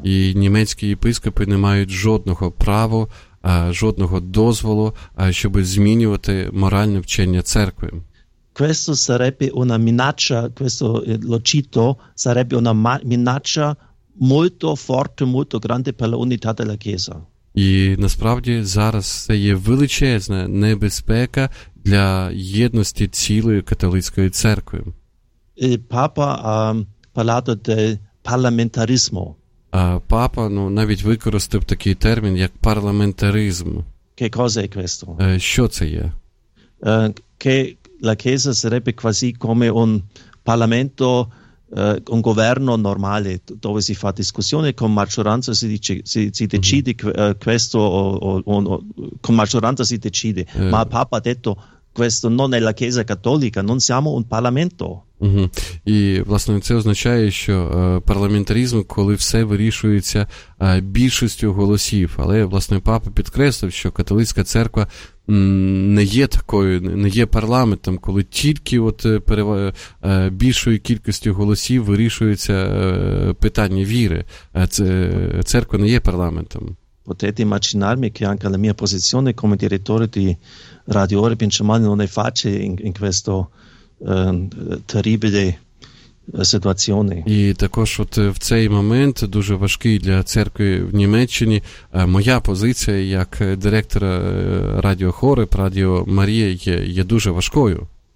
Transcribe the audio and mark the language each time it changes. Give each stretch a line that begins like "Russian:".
Ukrainian: І німецькі єпископи не мають жодного права, жодного дозволу, щоб змінювати моральне вчення церкви.
Italian: Questo sarebbe una minaccia, questo lo cito, sarebbe una minaccia molto forte, molto grande per la unità della Chiesa.
Ukrainian: І насправді зараз це є величезна небезпека для єдності цілої католицької церкви.
Italian: E Papa ha parlato del parlamentarismo.
Ukrainian: Папа, ну, навіть використав такий термін, як парламентаризм.
Italian: Che cosa è questo?
Ukrainian: Що це є?
Italian: Che la Chiesa sarebbe quasi come un parlamento, un governo normale, dove si fa discussione con maggioranza, si decide questo con maggioranza si decide. Ma Papa ha detto questo non è la Chiesa cattolica, non siamo un parlamento. Угу.
Ukrainian: І, власне, це означає, що парламентаризм, коли все вирішується більшістю голосів. Але, власне, Папа підкреслив, що католицька церква не є такою, не є парламентом, коли тільки от більшою кількістю голосів вирішується питання віри. Церква не є парламентом.
Italian: Potete immaginarmi che anche la mia posizione come direttore di Radio Ora Pinciamani non è facile in questo terribile situazione.
Ukrainian: І також от в цей момент дуже важкий для церкви в Німеччині. Моя позиція як директора Радіо Хореб, Радіо Марія є дуже важкою.